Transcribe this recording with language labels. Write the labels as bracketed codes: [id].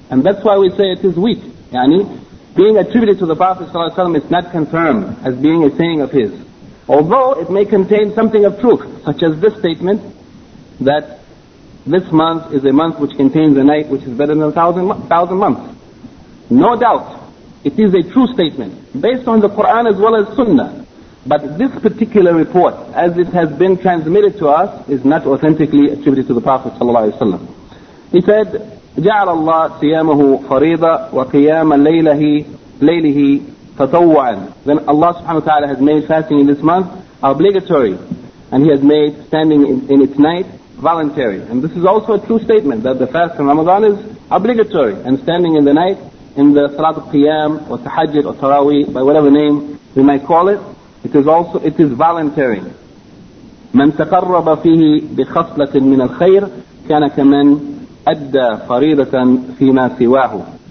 [en] And that's why we say it is weak. Yani, being attributed to the Prophet sallallahu alaihi wasallam is not confirmed as being a saying of his, although it may contain something of truth, such as this statement that this month is a month which contains a night which is better than 1,000 months. No doubt, it is a true statement based on the Quran as well as Sunnah. But this particular report, as it has been transmitted to us, is not authentically attributed to the Prophet sallallahu alaihi wasallam. [ar] He said, جعل الله صيامه فريضة وقيام ليله تطوعا. [en] Then Allah subhanahu wa ta'ala has made fasting in this month obligatory, and he has made standing in its night voluntary. And this is also a true statement that the fast in Ramadan is obligatory, and standing in the night in the Salat al-Qiyam or Tahajjud or Taraweeh, by whatever name we might call it, it is voluntary. [ar] من تقرب فيه بخصلة من الخير كان كمن أدى فريضة فيما سواه.